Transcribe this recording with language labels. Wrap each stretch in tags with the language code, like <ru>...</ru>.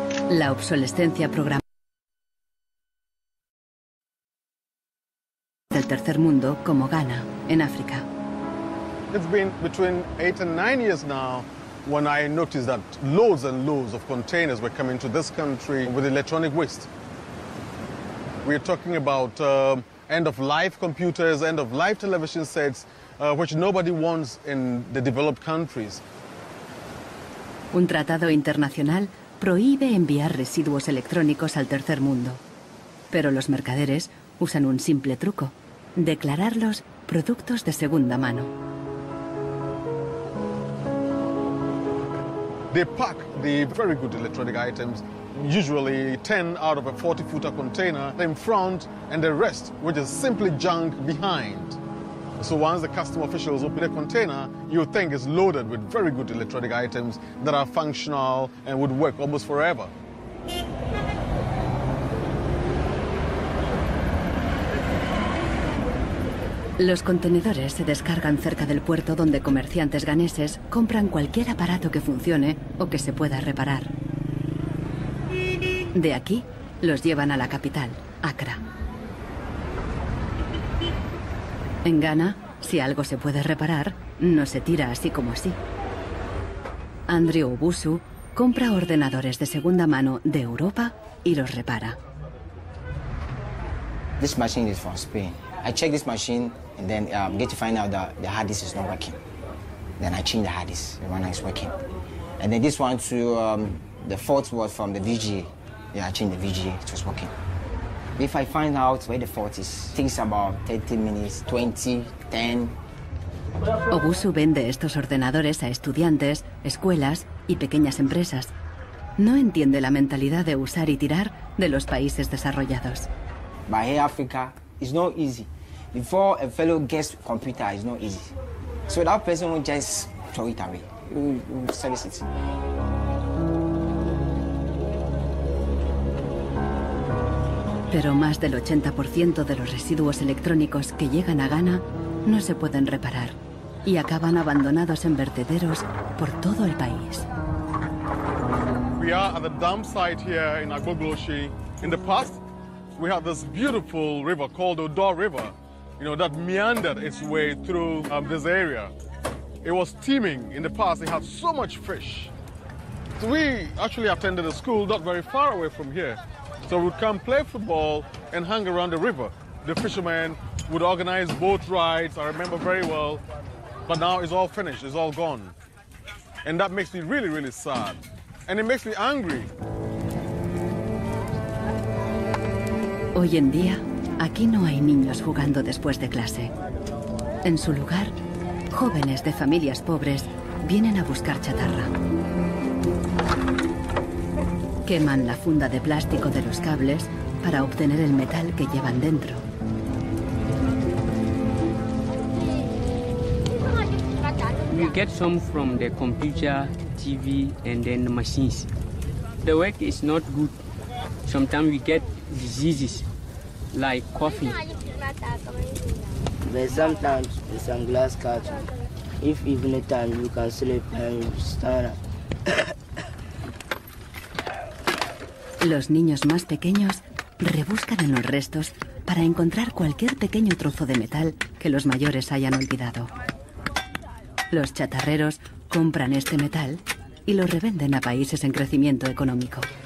<es>La obsolescencia programada del tercer mundo como Ghana en África.</es> <en>It's been between 8 and 9 years now when I noticed that loads and loads of containers were coming to this country with electronic waste. We're talking about end-of-life computers, end-of-life television sets, which nobody wants in the developed countries.</en> <es>Un tratado internacional prohíbe enviar residuos electrónicos al tercer mundo. Pero los mercaderes usan un simple truco: declararlos productos de segunda mano.</es> <en>They pack the very good electronic items, usually 10 out of a 40-footer container in front, and the rest, which is simply junk, behind. So once the customs officials open a container, you think it's loaded with very good electronic items that are functional and would work almost forever.</en> <es>Los contenedores se descargan cerca del puerto donde comerciantes ghaneses compran cualquier aparato que funcione o que se pueda reparar. De aquí, los llevan a la capital, Accra. En Ghana, si algo se puede reparar, no se tira así como así. Andrew Obusu compra ordenadores de segunda mano de Europa y los repara.</es> <en>This machine is from Spain. I check this machine and then get to find out that the hard disk is not working. Then I change the hard disk, the one that is working. And then this one too, the fault was from the VGA. Yeah, I changed the VGA, it was working. If I find out where the fault is, things about 30 minutes, 20, 10.</en> <es>Obusu vende estos ordenadores a estudiantes, escuelas y pequeñas empresas. No entiende la mentalidad de usar y tirar de los países desarrollados.</es> <en>But here, Africa, it's not easy. Before a fellow gets a computer, it's not easy. So that person will just throw it away. We'll service it.</en> <es>Pero más del 80% de los residuos electrónicos que llegan a Ghana no se pueden reparar y acaban abandonados en vertederos por todo el país.</es> <en>We are at the dam site here in Agogloshi. In the past, we had this beautiful river called the Odor River. You know, that meandered its way through this area. It was teeming in the past. It had so much fish. So we actually attended a school not very far away from here. So we'd come play football and hang around the river. The fishermen would organize boat rides, I remember very well. But now it's all finished, it's all gone. And that makes me really, really sad. And it makes me angry.</en> <es>Hoy en día, aquí no hay niños jugando después de clase. En su lugar, jóvenes de familias pobres vienen a buscar chatarra. Queman la funda de plástico de los cables para obtener el metal que llevan dentro.</es> <en>We get some from the computer, TV, and then the machines. The work is not good. Sometimes we get diseases like coughing. But sometimes the sunglasses catch. If evening time you can sleep and stand up.</en> <es>Los niños más pequeños rebuscan en los restos para encontrar cualquier pequeño trozo de metal que los mayores hayan olvidado. Los chatarreros compran este metal y lo revenden a países en crecimiento económico.</es>